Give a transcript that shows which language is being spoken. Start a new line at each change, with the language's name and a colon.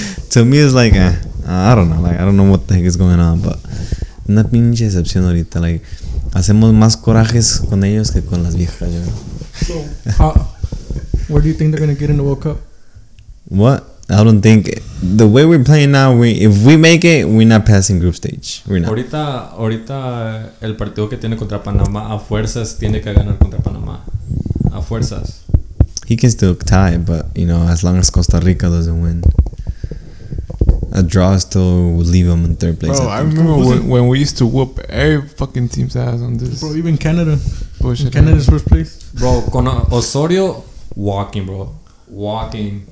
English: To me, it's like, I don't know. Like, I don't know what the heck is going on, but
Spanish: una pinche excepción ahorita. Like, hacemos más corajes con ellos que con las viejas.
English: So, where do you think they're going to get in the World Cup? What? I don't think. The way we're playing now, if we make it, we're not passing group stage. We're not.
Spanish: Ahorita, el partido que tiene contra Panamá, a fuerzas, tiene que ganar contra Panamá. A fuerzas.
English: He can still tie, but, you know, as long as Costa Rica doesn't win. A draw still will leave them in third place. Bro, I remember when we used to whoop every fucking team's ass on this. Bro, even Canada. Bullshit. Canada's first place. Bro, con Osorio, walking, bro. Walking.